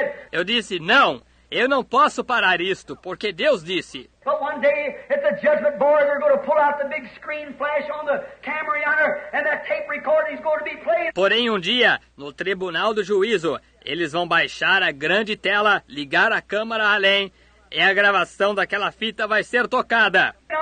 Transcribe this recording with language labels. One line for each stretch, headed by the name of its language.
Portuguese: Eu disse, não, eu não posso parar isto, porque Deus disse.
English: But one day at the judgment board they're going to pull out the big screen flash on the camera and that tape recording is going to be played.
Portuguese: Porém, um dia, no tribunal do juízo, eles vão baixar a grande tela, ligar a câmera além, e a gravação daquela fita vai ser tocada.